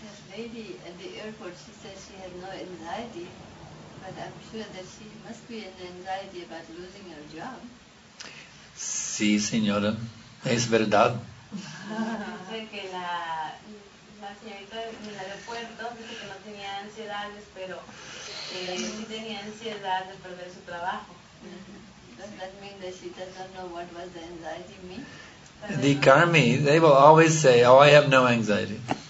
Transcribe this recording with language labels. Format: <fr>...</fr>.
<en>Maybe at the airport she says she has no anxiety, but I'm sure that she must be in anxiety about losing her job.</en> <es>Sí, señora, es verdad. Dice que la señorita en el aeropuerto dice que no tenía ansiedades, pero sí tenía ansiedad de perder su trabajo.</es> <en>Does that mean that she doesn't know what was the anxiety mean? The karmi, they will always say, oh, I have no anxiety.</en>